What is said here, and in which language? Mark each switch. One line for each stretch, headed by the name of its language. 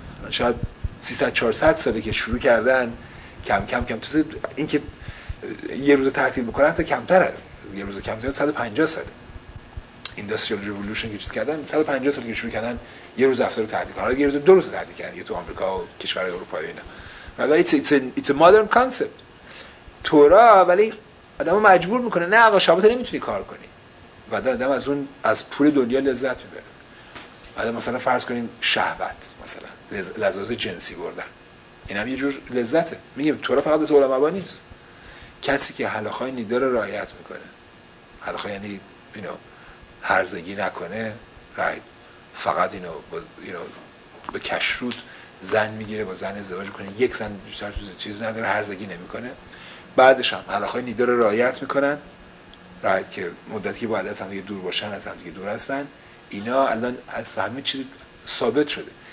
Persian: شاید 300 400 ساله که شروع کردن، کم کم کم تو این که یه روز تعطیل بکنن تا کمتره. یه روز کمتره 150 ساله. اینداستریال ریولوشن که چیز کردن 150 ساله که شروع کردن یه روز هفته رو تعطیل. حالا یه روز دو روز تعطیل کردن یه تو آمریکا و کشورهای اروپایی اینا. ولی
English: it's a modern concept.
Persian: تورا ولی آدمو مجبور میکنه، نه آقا شبات نمیتونی کار کنی. و آدم از اون از پول دنیا لذت میبره. آدم مثلا فرض کنیم شهوت، مثلا لذت جنسی بردن، این هم یه جور لذته. میگم تورا فقط به علما نیست. کسی که هلاخای نیدار رو رعایت میکنه، هلاخا یعنی اینو هرزگی نکنه، رعایت فقط اینو به کشروت زن میگیره، با زن ازدواج میکنه، یک زن بیشتر چیز نداره، هرزگی نمیکنه، بعدش هم هلاخای نیدار رو رعایت میکنن، رایت که مدتی که باید از هم دیگه دور باشن از هم دیگه دور هستن، اینا الان از همه چیز ثابت شده.